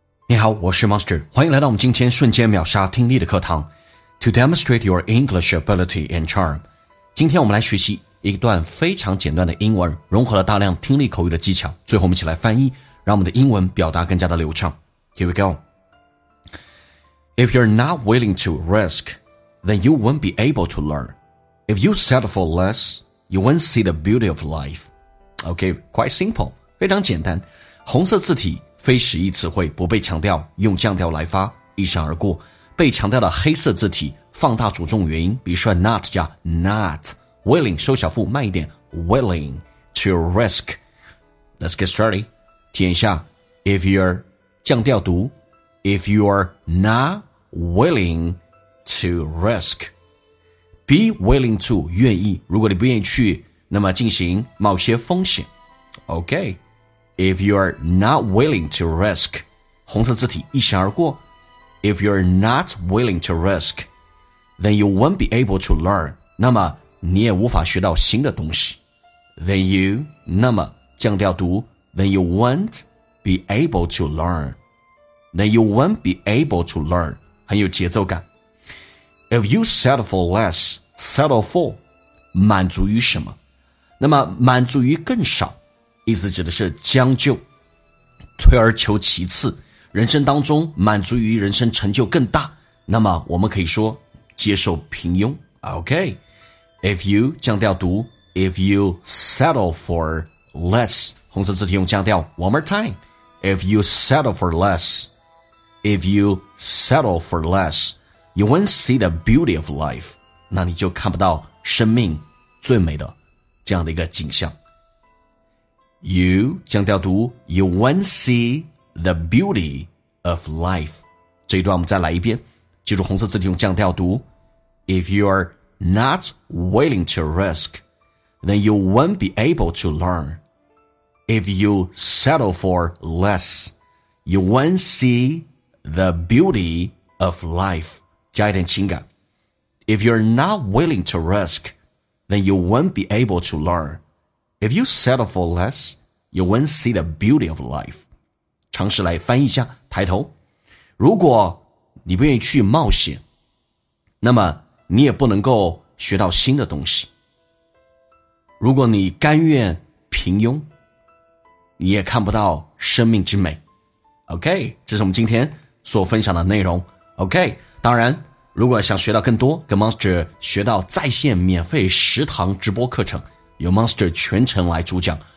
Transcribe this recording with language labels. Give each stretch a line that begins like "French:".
Chinese: 你好，我是 Monster， 欢迎来到我们今天瞬间秒杀听力的课堂。
English: To demonstrate your English ability and charm，
Chinese: 今天我们来学习一段非常简短的英文，融合了大量听力口语的技巧。最后我们一起来翻译，让我们的英文表达更加的流畅。
English: Here we go. If you're not willing to risk, then you won't be able to learn. If you settle for less, you won't see the beauty of life. Okay, quite simple，
Chinese: 非常简单。红色字体。非实义词汇不被强调，用降调来发，一闪而过。被强调的黑色字体放大主重元音，比如说 not 加 not， willing 收小腹慢一点，
English: willing to risk。 Let's get started，
Chinese: 体验一下。
English: If you're
Chinese: 降调读，
English: If you're not willing to risk， Be willing to
Chinese: 愿意，如果你不愿意去，那么进行冒些风险。
English: OKIf you're not willing to risk,
Chinese: 红色字体一闪而过。
English: If you're not willing to risk, then you won't be able to learn,
Chinese: 那么你也无法学到新的东西。
English: Then you,
Chinese: 那么降调读，
English: then you won't be able to learn, then you won't be able to learn,
Chinese: 很有节奏感。
English: If you settle for less, settle for,
Chinese: 满足于什么？那么满足于更少。意思指的是将就，退而求其次，人生当中满足于人生成就更大，那么我们可以说接受平庸。
English: OK， If you
Chinese: 降调读，
English: If you settle for less，
Chinese: 红色字体用降调，
English: One more time， If you settle for less， If you settle for less， You won't see the beauty of life，
Chinese: 那你就看不到生命最美的这样的一个景象。 You 降调读
English: You won't see the beauty of life，
Chinese: 这一段我们再来一遍，记住红色字体用降调读。
English: If you're not willing to risk, then you won't be able to learn. If you settle for less, you won't see the beauty of life，
Chinese: 加一点情感。
English: If you're not willing to risk, then you won't be able to learn. If you settle for lessYou won't see the beauty of life.
Chinese: 尝试来翻译一下，抬头。如果你不愿意去冒险，那么你也不能够学到新的东西。如果你甘愿平庸，你也看不到生命之美。 OK， 这是我们今天所分享的内容。OK， 当然，如果想学到更多，跟 Monster 学到在线免费十堂直播课程，由 Monster 全程来主讲。